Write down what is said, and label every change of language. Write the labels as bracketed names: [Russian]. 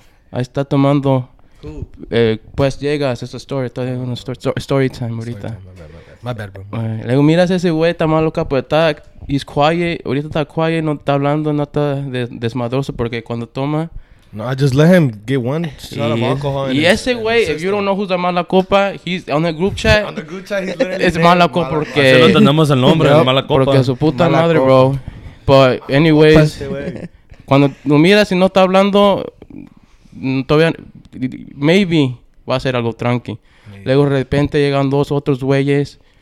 [Spanish] Ahí está tomando. Pues llegas, es una story. Estoy en una story time ahorita. [English] My bad, bro. [Spanish] Luego miras ese güey, está más loca, pero está. [English] He's quiet. [Spanish] Ahorita está quiet, no está hablando, no está desmadroso porque cuando toma. [English] No, I just let him get one shot of alcohol. [Spanish] Y ese güey, [English] if you don't know who's the mala copa, he's on the group chat. On the group chat, he's [Spanish] literally. Es mala copa porque. Así no tenemos el nombre, yep, mala copa. Porque su puta mala madre, bro. [English] But, anyways. [Spanish] Cuando lo miras y no está hablando, todavía. Maybe va a ser algo tranqui. Maybe. Luego de repente llegan dos otros güeyes.